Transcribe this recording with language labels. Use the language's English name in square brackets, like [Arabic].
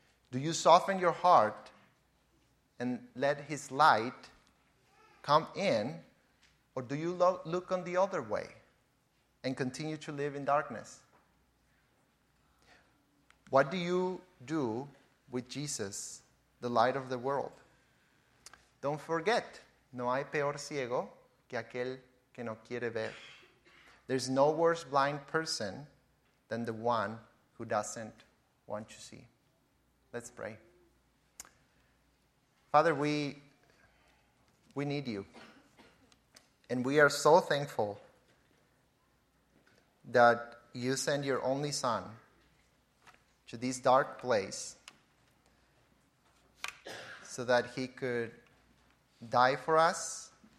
[English] Do you soften your heart and let his light come in, or do you look on the other way and continue to live in darkness? What do you do with Jesus, the light of the world? Don't forget, [Spanish] no hay peor ciego que aquel que no quiere ver. [English] There's no worse blind person than the one who doesn't want to see. Let's pray. Father, we need you. And we are so thankful that you send your only son to this dark place so that he could die for us.